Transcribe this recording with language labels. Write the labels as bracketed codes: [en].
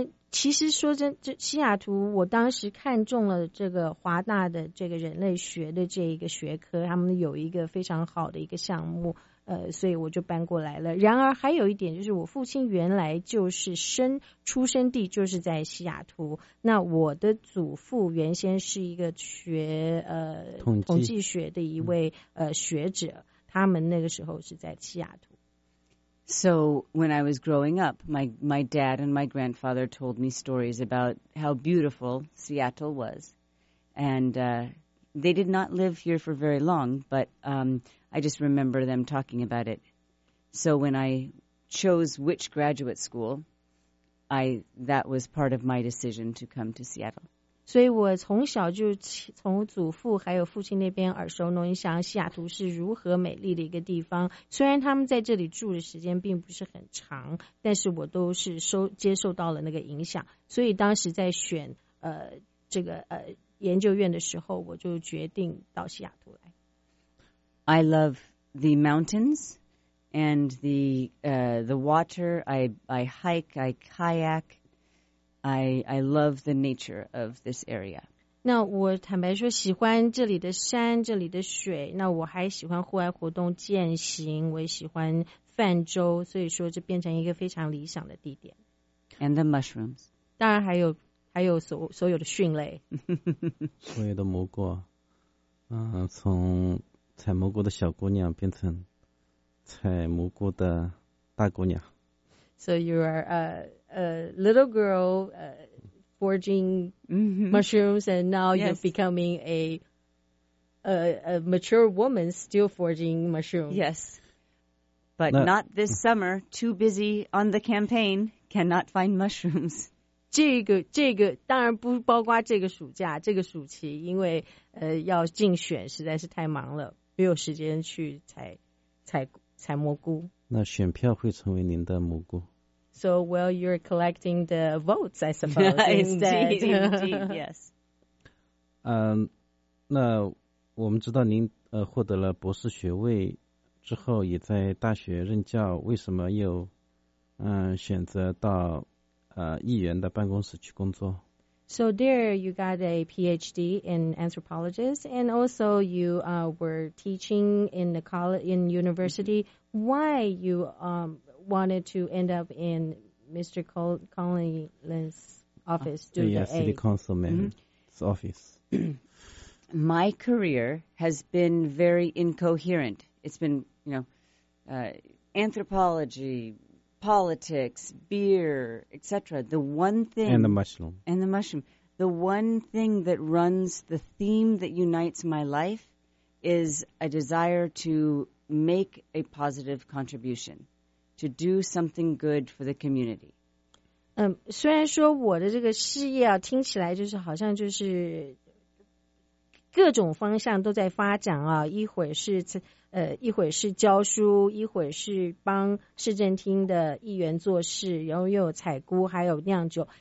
[zh] 其实说真，西雅图我当时看中了这个华大的这个人类学的这一个学科，他们有一个非常好的一个项目，所以我就搬过来了。然而还有一点就是我父亲原来就是出生地就是在西雅图，那我的祖父原先是一个学统计学的一位学者，他们那个时候是在西雅图。 [en] So when I was growing up, my dad and my grandfather told me stories about how beautiful Seattle was. And they did not live here for very long, but I just remember them talking about it. So when I chose which graduate school, that was part of my decision to come to Seattle. [zh] 所以我从小就从祖父还有父亲那边耳熟能详西雅图是如何美丽的一个地方，虽然他们在这里住的时间并不是很长，但是我都是接受到了那个影响，所以当时在选研究院的时候我就决定到西雅图来。 [en] I love the mountains and the water. I hike, I kayakI love the nature of this area. [zh] 那我坦白说喜欢这里的山，这里的水，那我还喜欢户外活动，健行，我也喜欢泛舟，所以说这变成一个非常理想的地点。 [en] And the mushrooms. [zh] 当然还有所有的蕈类。所有的蘑菇，从采蘑菇的小姑娘变成采蘑菇的大姑娘。 [en] So you are a little girl foraging mushrooms, and now yes. You're becoming a mature woman still foraging mushrooms. Yes, but not this summer. Too busy on the campaign, cannot find mushrooms. [zh] 这个当然不包括这个暑假这个暑期，因为要竞选实在是太忙了，没有时间去采蘑菇。那选票会成为您的蘑菇。 [en] So, well, you're collecting the votes, I suppose, indeed, yes. [zh] 那我们知道您获得了博士学位之后也在大学任教，为什么又选择到议员的办公室去工作？ [en] So there you got a PhD in anthropology, and also you were teaching in the college, in university. Why you wanted to end up in Mr. Collins' office? City Councilman's office. My career has been very incoherent. It's been, you know, anthropology, politics, beer, etc. The one thing... And the mushroom. The one thing that runs, the theme that unites my life is a desire to make a positive contribution, to do something good for the community. [zh] 虽然说我的这个事业啊，听起来就是好像就是各种方向都在发展啊，一会是一会是教书，一会是帮市政厅的议员做事，然后又有采菇，还有酿酒。